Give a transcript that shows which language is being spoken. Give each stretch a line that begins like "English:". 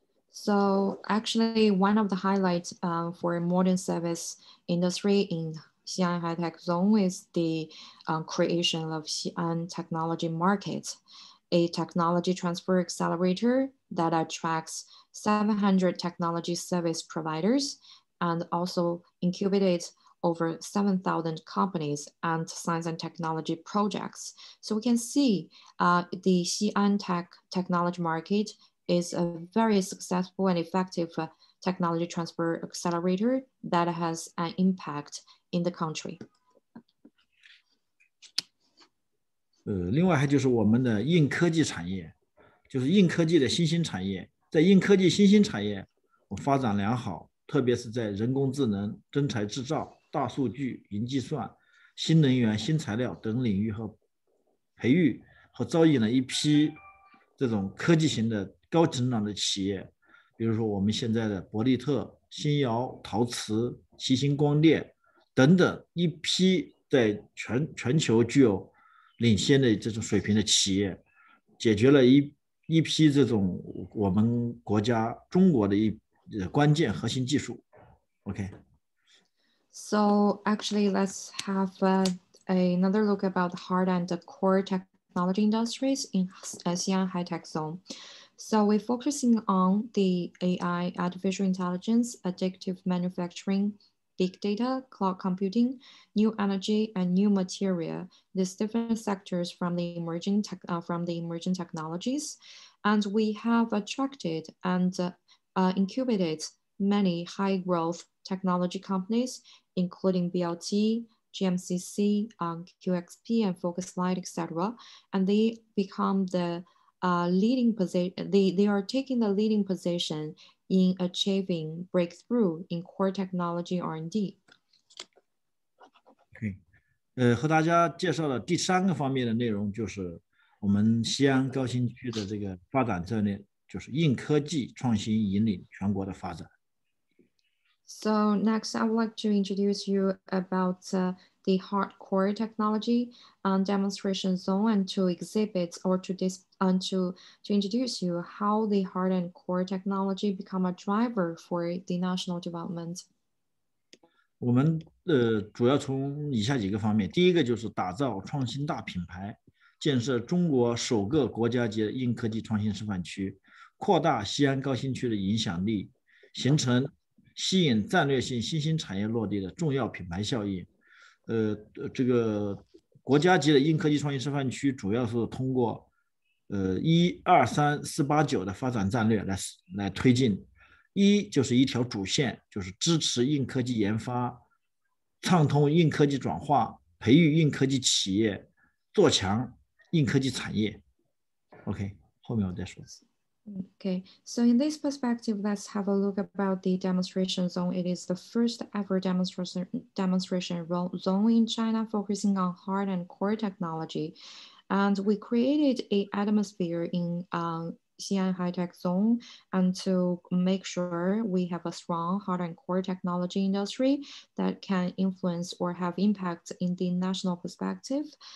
English: So actually, one of the highlights for modern service industry in Xi'an High Tech Zone is the creation of Xi'an Technology Market, a technology transfer accelerator that attracts 700 technology service providers and also incubates over 7,000 companies and science and technology projects. So we can see the Xi'an Tech Technology Market is a very successful and effective technology transfer accelerator that has an impact in the country.
Chinese: 另外还就是我们的硬科技产业，就是硬科技的新兴产业，在硬科技新兴产业发展良好，特别是在人工智能、真材制造、大数据、云计算、新能源、新材料等领域和培育和招引了一批这种科技型的高成长的企业，比如说我们现在的伯利特、新窑、陶瓷、奇星光电等等一批在 全球具有领先的这种水平的企业，解决了 一批这种我们国家中国的一关键核心技术。
English: OK, so actually let's have another look about the hard and the core technology industries in Xi'an high tech zone. So we're focusing on the AI, artificial intelligence, additive manufacturing,big data, cloud computing, new energy, and new material, these different sectors from the emerging, from the emerging technologies. And we have attracted and incubated many high growth technology companies, including BLT, GMCC, QXP, and Focus Light, etc. And they become the leading position, they are taking the leading position. In achieving breakthrough in core technology R&D.
Chinese: Okay, 和大家介绍了第三个方面的内容，就是我们西安高新区的这个发展策略，就是硬科技创新引领全国的发展。
English: So next, I would like to introduce you about the hardcore technology demonstration zone and to exhibit or to introduce you how the hard and core technology become a driver for the national development.
Chinese: 我们主要从以下几个方面，第一个就是打造创新大品牌，建设中国首个国家级硬科技创新示范区，扩大西安高新区的影响力，形成吸引战略性新兴产业落地的重要品牌效应。这个国家级的硬科技创新示范区主要是通过一二三四八九的发展战略来推进。一就是一条主线，就是支持硬科技研发，畅通硬科技转化，培育硬科技企业，做强硬科技产业。 OK, 后面我再说。
English: Okay, so in this perspective, let's have a look about the demonstration zone. It is the first ever demonstration zone in China focusing on hard and core technology. And we created an atmosphere in Xi'an high tech zone and to make sure we have a strong hard and core technology industry that can influence or have impact in the national perspective.